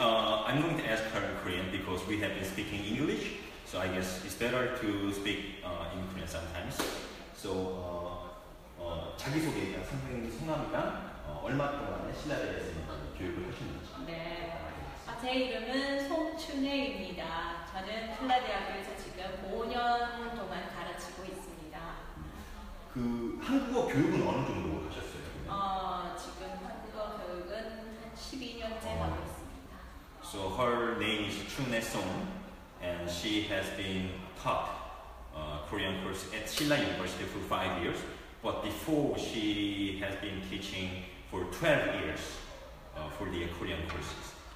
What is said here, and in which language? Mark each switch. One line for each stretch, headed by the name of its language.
English: I'm going to ask her in Korean because we have been speaking English. So I guess it's better to speak in Korean sometimes.
Korean: So 자기소개. 선생님 성함이랑 얼마 동안에 실라에서 교육을 하셨는지. 네. 제 이름은 송춘혜입니다. 저는 신라 대학교에서 지금 5년 동안 가르치고 있습니다. 그 한국어 교육은 어느 정도 하셨어요? 지금 한국어 교육은 한 12년째 하고 있습니다.
English: So her name is 춘혜 Song, and she has been taught Korean course at Silla University for 5 years. But before she has been teaching for 12 years for the Korean courses.